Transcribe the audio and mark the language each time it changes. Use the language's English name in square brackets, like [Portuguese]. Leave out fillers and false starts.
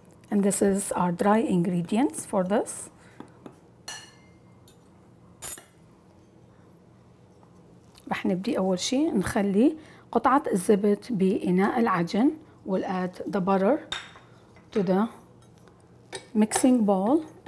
[English] And this is our dry ingredients for this. [Arabic] رح نبدي أول شيء نخلي قطعة الزبد بإناء العجن. [English] We'll add the butter to the mixing bowl.